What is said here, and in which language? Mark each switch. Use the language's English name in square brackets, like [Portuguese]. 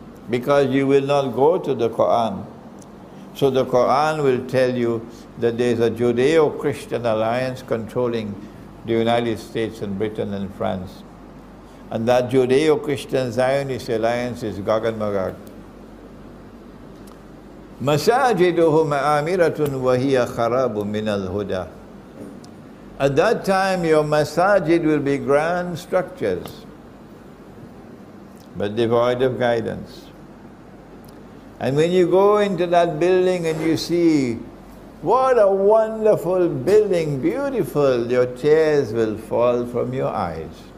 [English] Because you will not go to the Quran. So the Quran will tell you that there is a Judeo-Christian alliance controlling the United States and Britain and France. And that Judeo-Christian Zionist alliance is Gog and Magog. [Arabic] مساجدهم عامرة وهي خراب من الهدى. [English] At that time your masajid will be grand structures, but devoid of guidance. And when you go into that building and you see, what a wonderful building, beautiful, your tears will fall from your eyes.